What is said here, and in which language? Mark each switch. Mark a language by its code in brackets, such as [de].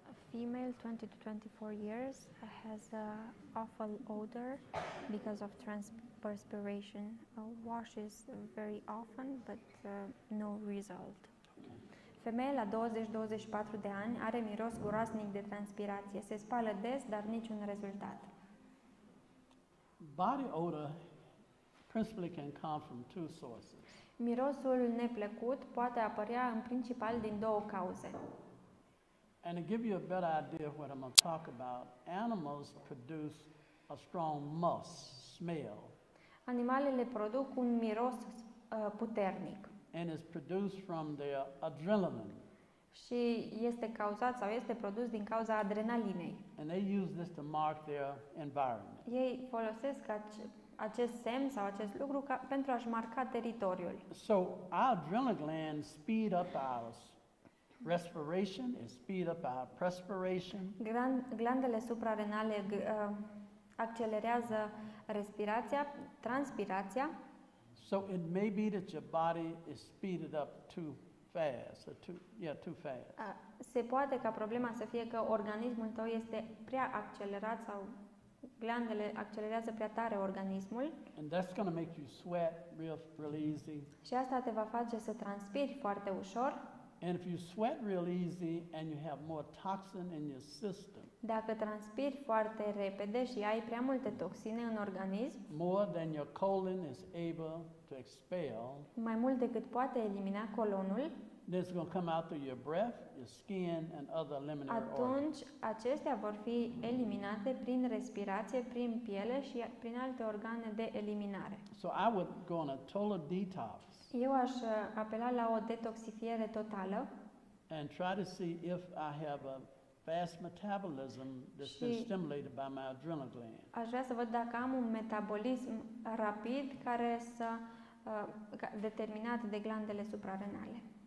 [en] Female 20 to 24 years has a awful odor because of transpiration. Washes very often but no result. [ro] Femeia la 20-24 de ani are miros groaznic de transpirație. Se spală des, dar niciun rezultat. [en] Body odor principally can come from two sources. [ro] Mirosul neplăcut poate apărea în principal din două cauze. [en] And to give you a better idea of what I'm going to talk about, animals produce a strong musk smell. [ro] Animalele produc un miros puternic. [en] And it's produced from their adrenaline. [ro] Și este cauzat sau este produs din cauza adrenalinei. [en] And they use this to mark their environment. [ro] Ei folosesc acest semn sau acest lucru pentru a-și marca teritoriul. [en] So our adrenal glands speed up ours. Respiration is speed up our perspiration. [ro] Glandele suprarenale accelerează respirația, transpirația. [en] So it may be that your body is speeded up too fast, too fast. [ro] Se poate ca problema să fie că organismul tău este prea accelerat sau glandele accelerează prea tare organismul. [en] And that's going to make you sweat real, real easy. [ro] Și asta te va face să transpiri foarte ușor. [en] And if you sweat real easy and you have more toxin in your system. [ro] Dacă transpiri foarte repede și ai prea multe toxine în organism. [en] More than your colon is able to expel. [ro] Mai mult decât poate elimina colonul. [en] This is going to come out through your breath, your skin, and other eliminator organs. [ro] Atunci, acestea vor fi eliminate prin respirație, prin piele și prin alte organe de eliminare. [en] So I would go on a total detox. [ro] Eu aș apela la o detoxifiere totală. [en] And try to see if I have a fast metabolism that's been stimulated by my adrenal gland. [ro] Aș vrea să văd dacă am un metabolism rapid care să determinat de glandele suprarenale.